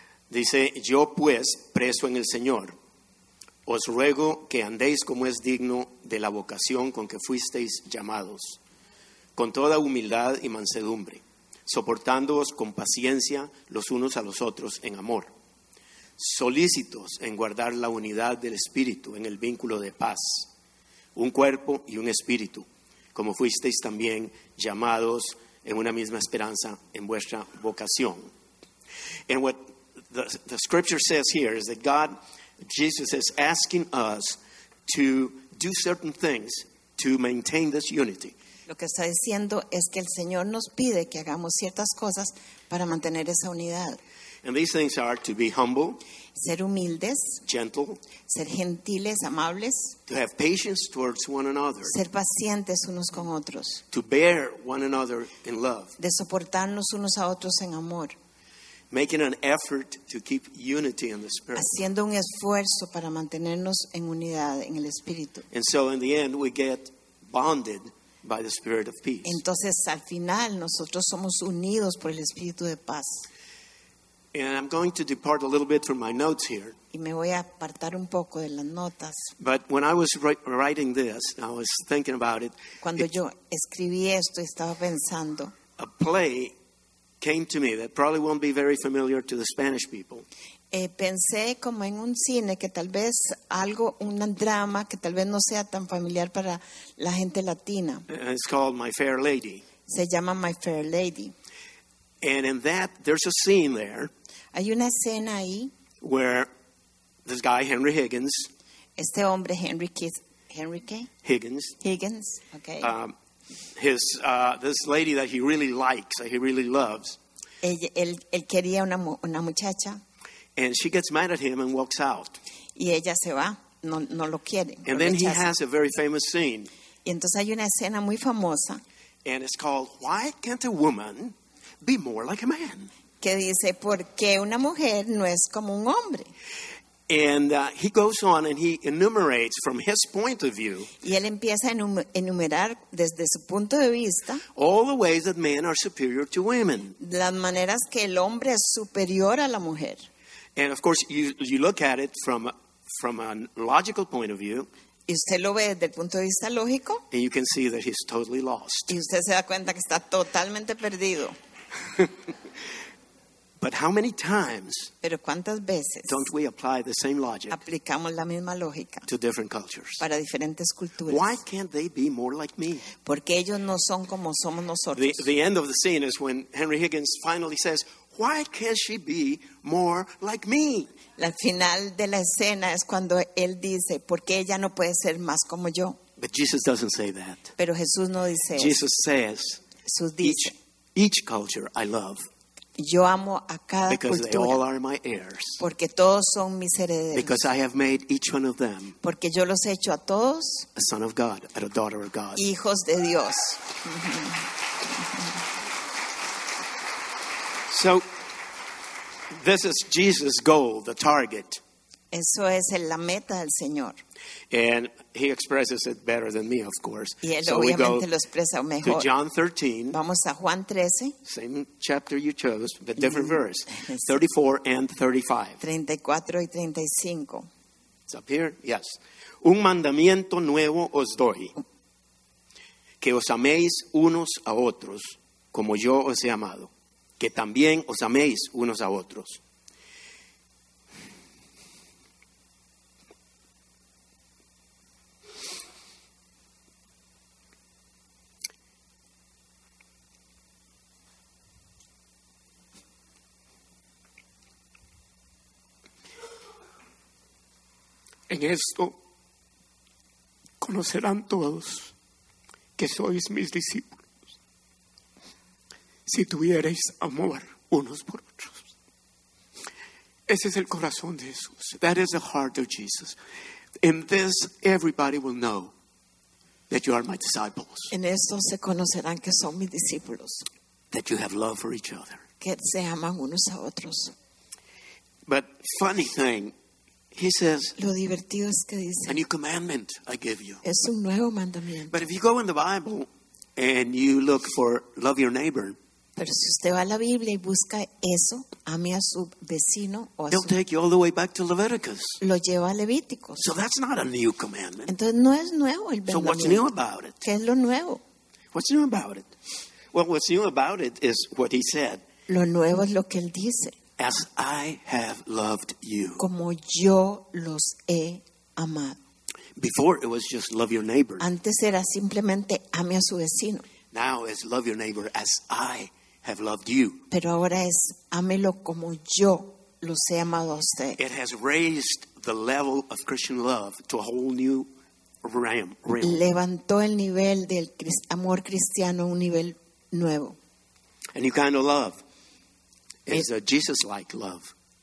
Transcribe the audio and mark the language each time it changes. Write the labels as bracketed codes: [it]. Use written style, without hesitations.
[es] Dice, yo pues, preso en el Señor, os ruego que andéis como es digno de la vocación con que fuisteis llamados, con toda humildad y mansedumbre, soportándoos con paciencia los unos a los otros en amor, solícitos en guardar la unidad del Espíritu en el vínculo de paz, un cuerpo y un espíritu, como fuisteis también llamados en una misma esperanza en vuestra vocación. [en] And what the scripture says here is that God, Jesus is asking us to do certain things to maintain this unity. [es] Lo que está diciendo es que el Señor nos pide que hagamos ciertas cosas para mantener esa unidad. [en] And these things are to be humble, [es] ser humildes, [en] gentle, [es] ser gentiles, amables, [en] to have patience towards one another, [es] ser pacientes unos con otros, [en] to bear one another in love, [es] de soportarnos unos a otros en amor, [en] making an effort to keep unity in the Spirit, [es] haciendo un esfuerzo para mantenernos en unidad en el Espíritu. [en] And so in the end we get bonded by the Spirit of peace. [es] Entonces al final nosotros somos unidos por el Espíritu de paz. [en] And I'm going to depart a little bit from my notes here. [es] Y me voy a apartar un poco de las notas. [en] But when I was writing this, I was thinking about it. [es] Cuando yo escribí esto, estaba pensando. [en] A play came to me that probably won't be very familiar to the Spanish people. [es] Pensé como en un cine que tal vez algo, un drama que tal vez no sea tan familiar para la gente latina. [en] It's called My Fair Lady. [es] Se llama My Fair Lady. [en] And in that, there's a scene there. [es] Hay una escena ahí. [en] Where this guy, Henry Higgins. [es] Este hombre, Henry Keith, Henry K? [en] Higgins. Higgins, okay. This lady that he really likes, that he really loves. [es] Él quería una muchacha. [en] And she gets mad at him and walks out. [es] Y ella se va, no lo quiere. [en] And then he has a very famous scene. [es] Y entonces hay una escena muy famosa. [en] And it's called, Why Can't a Woman Be More Like a Man? [es] Que dice, ¿por qué una mujer no es como un hombre? [en] And he goes on and he enumerates from his point of view. [es] Y él empieza a enumerar desde su punto de vista. [en] All the ways that men are superior to women. [es] Las maneras que el hombre es superior a la mujer. [en] And of course, you look at it from a logical point of view. [es] Y usted lo ve desde el punto de vista lógico. [en] And you can see that he's totally lost. [es] Y usted se da cuenta que está totalmente perdido. [en] But how many times? [es] Pero ¿cuántas veces? [en] Don't we apply the same logic? [es] Aplicamos la misma lógica. [en] To different cultures. [es] Para diferentes culturas. [en] Why can't they be more like me? [es] Porque ellos no son como somos nosotros. [en] The end of the scene is when Henry Higgins finally says, "Why can't she be more like me?" [es] La final de la escena es cuando él dice, "¿Por qué ella no puede ser más como yo?" [en] But Jesus doesn't say that. [es] Pero Jesús no dice eso. [en] Jesus says, [es] Jesús dice, [en] each culture I love. [es] Yo amo a cada [en] because [es] cultura, [en] they all are my heirs. [es] Porque todos son mis herederos. [en] Because I have made each one of them. [es] Porque yo los he hecho a todos. [en] A son of God, and a daughter of God. [es] Hijos de Dios. [en] So, this is Jesus' goal, the target. [es] Eso es la meta del Señor. [en] And he expresses it better than me, of course. [es] Y él, so obviamente, [en] we go [es] lo expresa mejor. [en] To John 13. [es] Vamos a Juan 13. [en] Same chapter you chose, but different verse. 34 and 35. [es] 34 y 35. [en] It's up here? Yes. [es] Un mandamiento nuevo os doy. Que os améis unos a otros, como yo os he amado. Que también os améis unos a otros. En esto conocerán todos que sois mis discípulos, si tuviereis amor unos por otros. Ese es el corazón de Jesús. [en] That is the heart of Jesus. In this, everybody will know that you are my disciples. [es] En esto se conocerán que son mis discípulos. [en] That you have love for each other. [es] Que se aman unos a otros. [en] But funny thing, he says, [es] lo divertido es que dice, [en] a new commandment I give you. [es] Es un nuevo mandamiento. [en] But if you go in the Bible and you look for love your neighbor, [es] pero si usted va a la Biblia y busca eso, ame a su vecino o a su, [en] they'll take you all the way back to Leviticus. [es] Lo lleva a Levíticos. [en] So that's not a new commandment. [es] Entonces no es nuevo el mandamiento. [en] So what's new about it? ¿Qué es lo nuevo? What's new about it? Well, what's new about it is what he said. [es] Lo nuevo es lo que él dice. [en] As I have loved you. [es] Como yo los he amado. [en] Before it was just love your neighbor. [es] Antes era simplemente ame a su vecino. [en] Now it's love your neighbor as I have loved you. [es] Pero ahora es ámelo como yo los he amado a usted. [en] It has raised the level of Christian love to a whole new realm. [es] Levantó el nivel del amor cristiano a un nivel nuevo. [en] A new kind of love. It's a Jesus-like love.